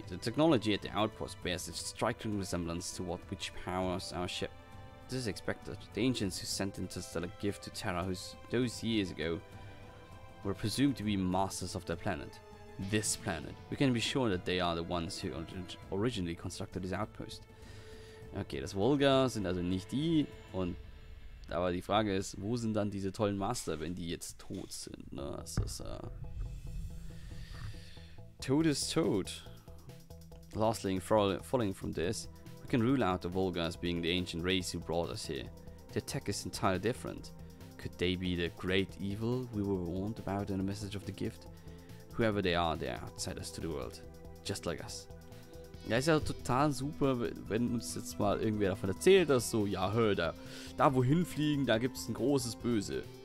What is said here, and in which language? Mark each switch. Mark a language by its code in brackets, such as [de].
[en] The technology at the outpost bears a striking resemblance to what which powers our ship. This is expected. The ancients who sent interstellar gift to Terra those years ago were presumed to be masters of their planet. This planet. We can be sure that they are the ones who originally constructed this outpost. [de] Okay, das Volgas sind also nicht die. Und aber die Frage ist, wo sind dann diese tollen Master, wenn die jetzt tot sind? Ne? Das ist, Tod ist tot. [en] Lastly, following from this, we can rule out the Volgas being the ancient race who brought us here. Their tech is entirely different. Could they be the great evil we were warned about in the message of the gift? Whoever they are outsiders to the world. Just like us. [de] Ja, ist ja total super, wenn uns jetzt mal irgendwer davon erzählt, dass so, ja, hör, da wohin fliegen, da gibt's ein großes Böse.